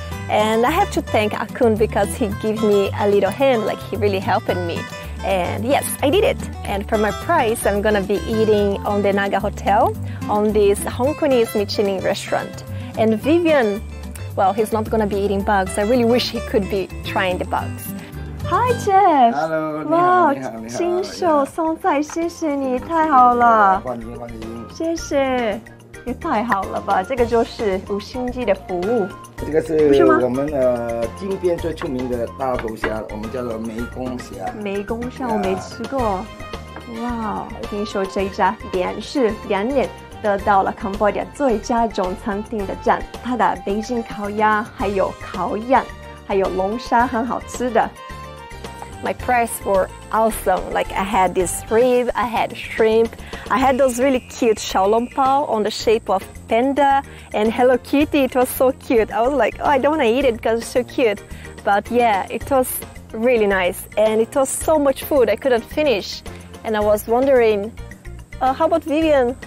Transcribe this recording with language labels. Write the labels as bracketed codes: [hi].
[en] And I have to thank Akun because he gave me a little hand, like he really helped me. And yes, I did it. And for my prize, I'm gonna be eating on the Naga Hotel on this Hong Kongese Michelin restaurant. And Vivian, well, he's not gonna be eating bugs. I really wish he could be trying the bugs. Hi Jeff! [zh] Hello, 你好, 你好, 你好, 新手松菜, 谢谢你, 太好了。欢迎。谢谢, 太好了吧, 这个就是五星级的服务。这个是我们, 金边最出名的大龙虾, 我们叫做湄公虾。湄公虾, 我没吃过。哇, 听说这一家, 连续, 两年, 得到了 Cambodia 最佳总餐厅的赞, 它的北京烤鸭, 还有烤羊, 还有龙虾, 很好吃的。 [en] My prize were awesome. Like I had this rib, I had shrimp, I had those really cute xiaolongbao on the shape of panda and Hello Kitty. It was so cute. I was like, oh, I don't want to eat it because it's so cute. But yeah, it was really nice. And it was so much food I couldn't finish. And I was wondering, how about Vivian?